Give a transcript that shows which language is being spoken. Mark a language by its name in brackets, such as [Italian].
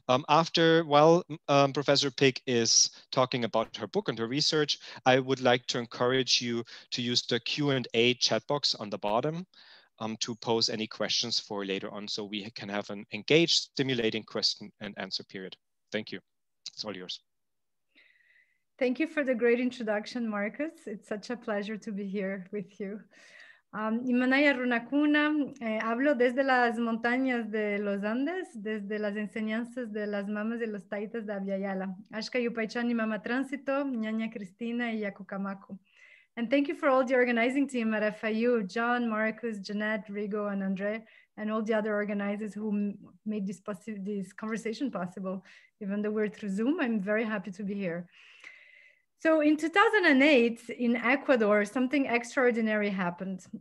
[English] After, while Professor Picq is talking about her book and her research, I would like to encourage you to use the Q&A chat box on the bottom to pose any questions for later on so we can have an engaged, stimulating question and answer period. Thank you. It's all yours. Thank you for the great introduction, Markus. It's such a pleasure to be here with you. [Quechua] Imanaya Runakuna, [Spanish] hablo desde las montañas de los Andes, desde las enseñanzas de las mamas y los taitas de Abiyayala. [Quechua] Ashka Yupaychani Mama Transito, Nyanya Cristina y Yakukamaku. [English] And thank you for all the organizing team at FIU, John, Markus, Jeanette, Rigo, and Andre, and all the other organizers who made this this conversation possible. Even though we're through Zoom, I'm very happy to be here. So in 2008, in Ecuador, something extraordinary happened.